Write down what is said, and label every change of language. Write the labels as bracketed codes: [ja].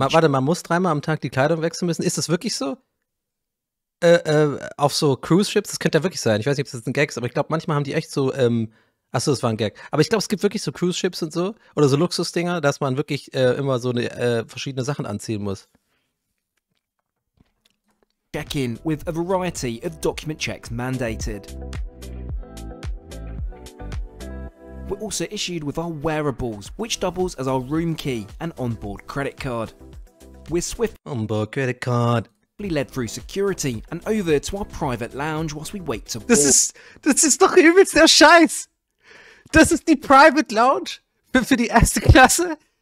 [de] Warte, man muss dreimal am Tag die Kleidung wechseln müssen. Ist das wirklich so? Auf so Cruise Ships, das könnte ja wirklich sein. Ich weiß nicht, ob das ein Gag ist, aber ich glaube, manchmal haben die echt so, achso, das war ein Gag. Aber ich glaube, es gibt wirklich so Cruise Ships und so oder so Luxusdinger, dass man wirklich immer so eine, verschiedene Sachen anziehen muss. [en] Check-in with a variety of document checks mandated. We're also issued with our wearables, which doubles as our room key and onboard credit card. We're swift onboard credit card. Led through security and over to our private lounge whilst we wait to board. [de] Das ist doch übelst der Scheiß. Das ist die private lounge für die erste Klasse.